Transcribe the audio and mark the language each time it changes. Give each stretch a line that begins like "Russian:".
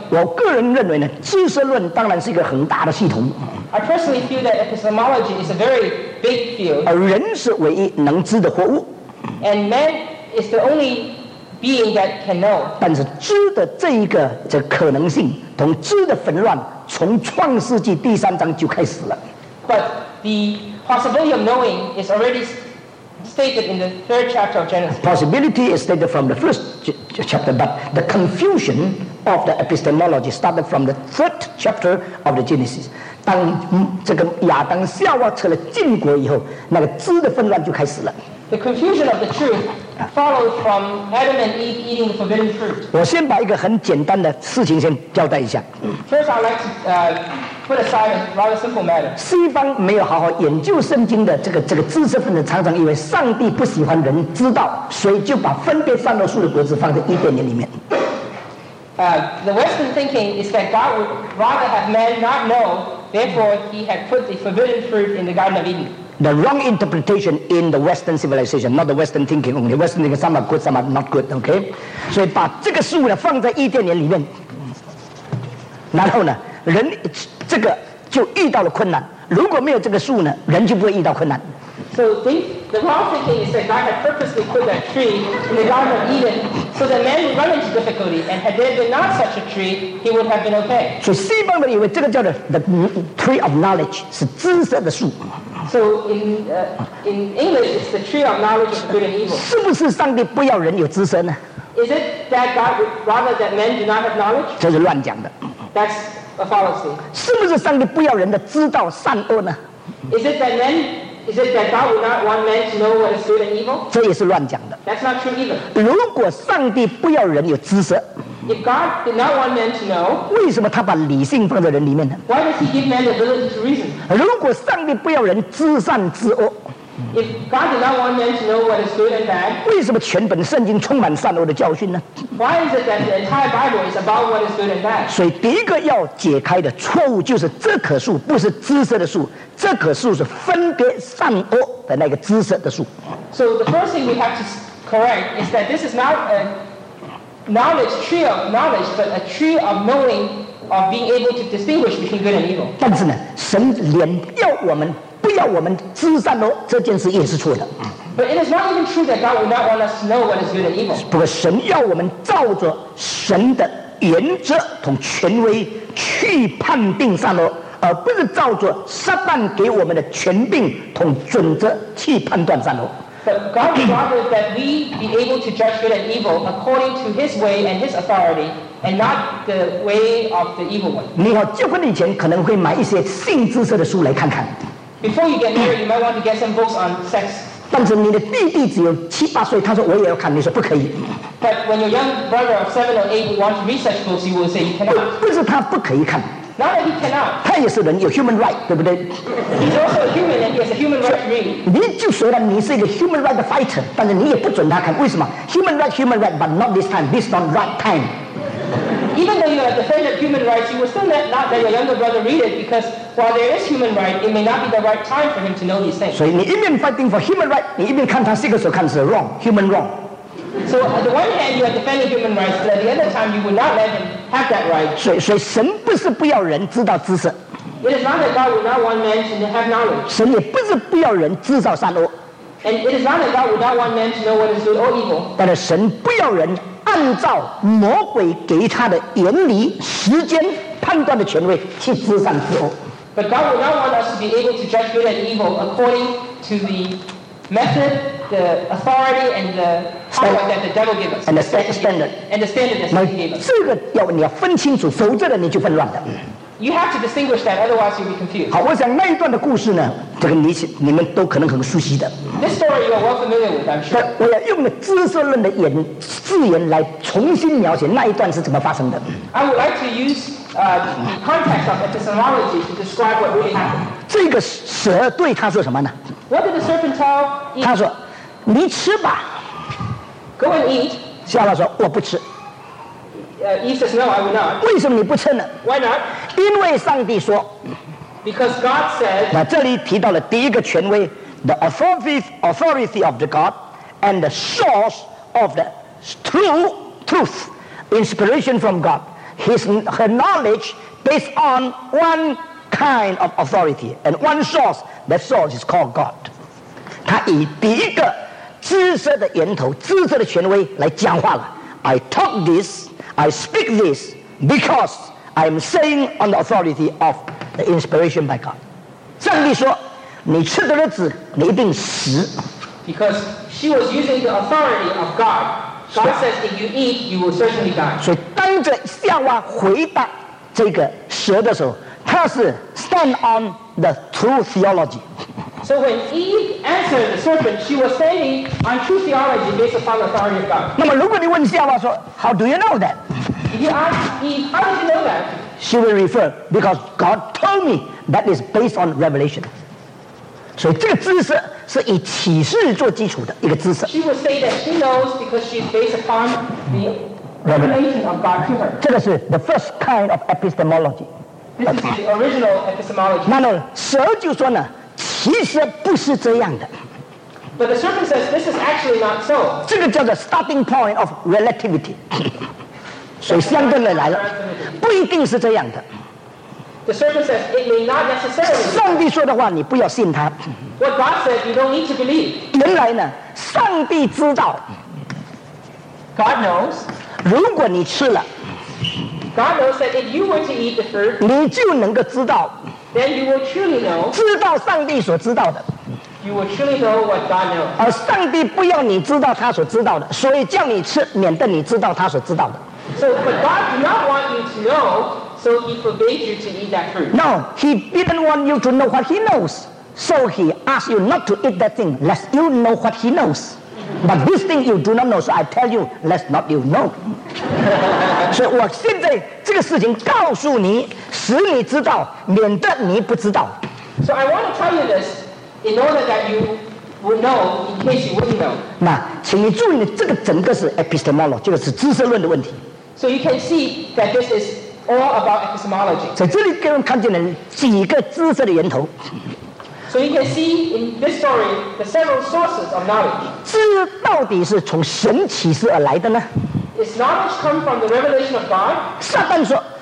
Chinese: 我个人认为呢，知识论当然是一个很大的系统。
English: I personally feel that epistemology is a very big field.
Chinese: 人是唯一能知的活物。
English: And man is the only being that can know.
Chinese: 但是知的这一个这可能性，同知的纷乱，从创世纪第三章就开始了。
English: But the possibility of knowing is already stated in the third chapter of Genesis. Possibility is stated from the first chapter, but the confusion of the epistemology started from the third chapter of the Genesis.
Chinese: 当这个亚当夏娃吃了禁果以后，那个知的纷乱就开始了。
English: The confusion of the truth followed from Adam and Eve eating the forbidden fruit.
Chinese: 我先把一个很简单的事情先交代一下。
English: First, I'd like to put aside a rather simple matter.
Chinese: 西方没有好好研究圣经的这个知识分子，常常以为上帝不喜欢人知道，所以就把分别善恶树的果子放在伊甸园里面。
English: The Western thinking is that God would rather have men not know. Therefore, he had put the forbidden fruit in the Garden of Eden. The wrong interpretation in the Western civilization, not the Western thinking only. Western thinking, some are good, some are not good, okay?
Chinese: 所以把这个树呢放在伊甸园里面，然后呢，人这个就遇到了困难。如果没有这个树呢，人就不会遇到困难。
English: So the wrong thinking is that God had purposely put that tree in the Garden of Eden so that man would run into difficulty, and had there been not such a tree, he would have been okay.
Chinese: 所以西方人以为这个叫做
English: the tree of knowledge,
Chinese: 是知识的树。
English: So in English, it's the tree of knowledge of good and evil.
Chinese: 是不是上帝不要人有知识呢？
English: Is it that God would rather that men do not have knowledge?
Chinese: 这是乱讲的。
English: That's a fallacy.
Chinese: 是不是上帝不要人的知道善恶呢？
English: Is it that men? Is it that God would not want men to know what is good and evil?
Chinese: 这也是乱讲的。
English: That's not true either.
Chinese: 如果上帝不要人有知识。
English: If God did not want men to know,
Chinese: 为什么他把理性放在人里面呢？
English: Why does he give men the ability to reason?
Chinese: 如果上帝不要人知善知恶，
English: If God did not want men to know what is good and bad,
Chinese: 为什么全本圣经充满善恶的教训呢？
English: Why is it that the entire Bible is about what is good and bad?
Chinese: 所以第一个要解开的错误就是这棵树不是知识的树，这棵树是分别善恶的那个知识的树。
English: So the first thing we have to correct is that this is not aKnowledge, tree of knowledge, but a tree of knowing, of being able to distinguish between good and evil.
Chinese: 但是呢，神连要我们不要我们知善恶这件事也是错的。
English: But it is not even true that God would not want us to know what is good and evil.
Chinese: 不过神要我们照着神的原则同权威去判定善恶，而不是照着撒旦给我们的权柄同准则去判断善恶。
English: But God would rather that we be able to judge good and evil according to His way and His authority, and not the way of the evil one.
Chinese: 你要结婚以前可能会买一些性知识的书来看看。
English: Before you get married, you might want to get some books on sex.
Chinese: 但是你的弟弟只有七八岁，他说我也要看，你说不可以。
English: But when your young brother of 7 or 8 would want to read such books, you will say you cannot.
Chinese: 不是他不可以看。
English: Not that he cannot.
Chinese: 他也是人，有 human right， 对不对？
English: He's also a human and he has a human right to read.
Chinese: 你就说了，你是一个 human right 的 fighter， 但是你也不准他看，为什么？
English: Human right, but not this time. This not right time. Even though you are a defender of human rights, you will still not let your younger brother read it because while there is human right, it may not be the right time for him to know these things.
Chinese: 所以你一面
English: fighting for human right，
Chinese: 你一面看他这个时候看是 wrong， human wrong。
English: So on the one hand, you are defending human rights, but at the other time, you would not let him have that right.
Chinese: 所以神不是不要人知道知识。
English: It is not that God would not want men to have knowledge.
Chinese: 神也不是不要人知道善恶。
English: And it is not that God would not want men to know what is good or evil.
Chinese: 但是神不要人按照魔鬼给他的原理、时间、判断的权威去知善知恶。
English: But God would not want us to be able to judge good and evil according to the method. The authority and the power that the devil gives us, and the standard, and the standard that he gave us.
Chinese: 这个要你要分清楚，否则你就混乱的。
English: You have to distinguish that, otherwise you'll be confused.
Chinese: 好，我想那一段的故事呢，这个你们都可能很熟悉的。
English: This story you are well familiar with, I'm sure.
Chinese: 我要用知识论的字眼来重新描写那一段是怎么发生的。
English: I would like to use context of epistemology to describe what really happened.
Chinese: 这个蛇对他说什么呢？
English: What did the serpent tell?
Chinese: 他说。你吃吧。
English: Go and eat.
Chinese: 夏娃说我不吃。
English: Eve says no, I will not.
Chinese: 为什么你不吃呢？
English: Why not?
Chinese: 因为上帝说。
English: Because God said.
Chinese: 那这里提到了第一个权威
English: ，the authority of the God and the source of the true truth, inspiration from God, her knowledge based on one kind of authority and one source. That source is called God.
Chinese: 他以第一个。知识的源头，知识的权威来讲话了。
English: I talk this, I speak this, because I'm saying on the authority of the inspiration by God.
Chinese: 上帝说，你吃的日子，你一定死。
English: Because she was using the authority of God. God says, if you eat, you will certainly die.
Chinese: 所以当着夏娃回答这个蛇的时候，他是
English: stand on the true theology. So when Eve answered the serpent, she was standing on true theology based upon the authority of God.
Chinese: 那么如果你问夏娃说
English: how do you know that? If you ask Eve, how did you know that? She will refer, because God told me that is based on revelation.
Chinese: 所以这个知识是以启示做基础的一个知识。
English: She will say that she knows because she is based upon the revelation of God to her.
Chinese: 这个是
English: the first kind of epistemology. This is the original epistemology.
Chinese: 那么蛇就说呢其实不是这样的。
English: But the serpent says this is actually not so.
Chinese: 这个叫做
English: starting point of relativity.
Chinese: 所以相对论来了，不一定是这样的。
English: The serpent says it may not necessarily.
Chinese: 上帝说的话你不要信他。
English: What God says you don't need to believe.
Chinese: 原来呢，上帝知道。
English: God knows.
Chinese: 如果你吃了。
English: God knows that if you were to eat the fruit.
Chinese: 你就能够知道。
English: Then you will truly know.
Chinese: 知道上帝所知道的。
English: You will truly know what God knows.
Chinese: 而上帝不要你知道他所知道的，所以叫你吃，免得你知道他所知道的。
English: So, but God do not want you to know, so he forbade you to eat that fruit. No, he didn't want you to know what he knows. So he asked you not to eat that thing, lest you know what he knows. But this thing you do not know, so I tell you, lest not you know.
Chinese: 所以我现在这个事情告诉你，使你知道，免得你不知道。
English: So I want to tell you this in order that you will know, in case you wouldn't know.
Chinese: 那请你注意，这个整个是 epistemology， 这个是知识论的问题。
English: So you can see that this is all about epistemology.
Chinese: 在这里给我们看见了几个知识的源头。
English: So you can see in this story the several sources of knowledge.
Chinese: 知到底是从神启示而来的呢？
English: Is knowledge come from the revelation of God?